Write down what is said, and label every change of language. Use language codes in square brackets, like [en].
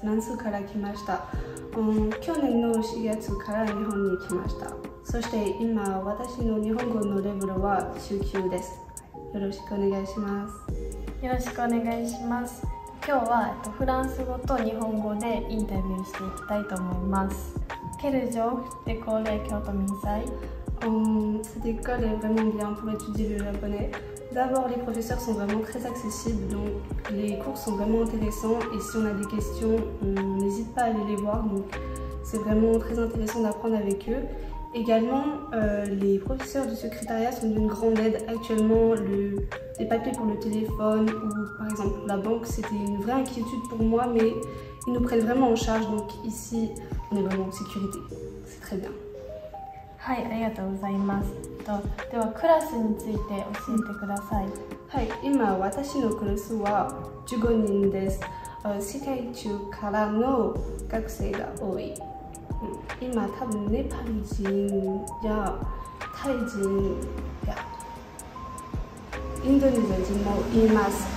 [ja] フランスから来ました。去年の4月から日本に来ました。そして今、私の日本語のレベルは中級です。よろしくお願いします。よろしくお願いします。今日は、フランス語と日本語でインタビューしていきたいと思います。 [fr] Quel est le genre de collège Kyoto Minsai? Cette école est vraiment bien pour étudier le japonais. D'abord, les professeurs sont vraiment très accessibles, donc les cours sont vraiment intéressants. Et si on a des questions, on n'hésite pas à aller les voir. Donc, c'est vraiment très intéressant d'apprendre avec eux. Également, les professeurs du secrétariat sont d'une grande aide. Actuellement, les papiers pour le téléphone ou par exemple la banque, c'était une vraie inquiétude pour moi, mais ils nous prennent vraiment en charge. Donc ici, on est vraiment en sécurité. C'est très bien. [ja] はい、ありがとうございます。では、クラスについて教えてください。はい、今私のクラスは15人です。世界中からの学生が多い。今多分ネパール人やタイ人やインドネシア人もいます。